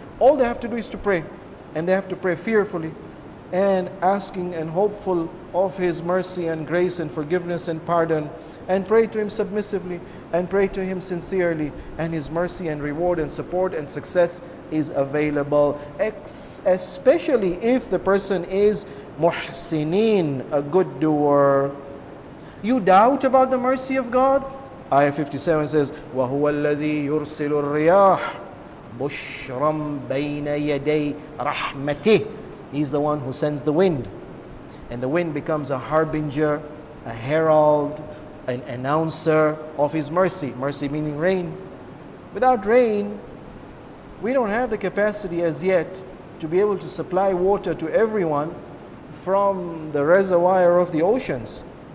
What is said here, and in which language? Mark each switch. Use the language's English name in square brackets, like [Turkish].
[English] All they have to do is to pray, and they have to pray fearfully and asking and hopeful of his mercy and grace and forgiveness and pardon, and pray to him submissively and pray to him sincerely, and his mercy and reward and support and success is available, especially if the person is muhsinin, a good doer. You doubt about the mercy of God? Ayah 57 says, [Arabic] وَهُوَ الَّذِي يُرْسِلُ الرِّيَاحِ بُشْرًا بَيْنَ يَدَيْ رَحْمَتِهِ. [English] He's the one who sends the wind, and the wind becomes a harbinger, a herald, an announcer of His mercy. Mercy meaning rain. Without rain, we don't have the capacity as yet to be able to supply water to everyone from the reservoir of the oceans.